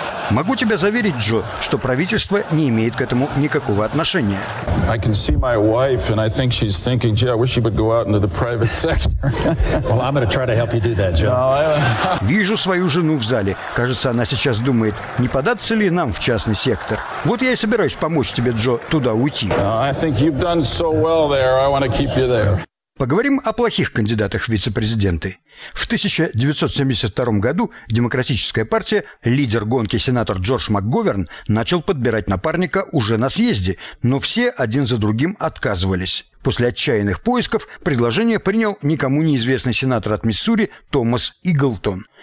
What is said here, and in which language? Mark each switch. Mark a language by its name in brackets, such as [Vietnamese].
[Russian] Могу тебя заверить, Джо, что правительство не имеет к этому никакого отношения. [English] I can see my wife, and I think she's thinking, gee, I wish she would go out into the private sector. Well, I'm going to try to help you do that, Joe. [Russian] Вижу свою жену в зале. Кажется, она сейчас думает, не податься ли нам в частный сектор. Вот я и собираюсь помочь тебе, Джо, туда уйти. [English] I think you've done so well there. I want to keep you there. [Russian] Поговорим о плохих кандидатах в вице-президенты. В 1972 году Демократическая партия, лидер гонки сенатор Джордж МакГоверн, начал подбирать напарника уже на съезде, но все один за другим отказывались. После отчаянных поисков предложение принял никому неизвестный сенатор от Миссури Томас Иглтон.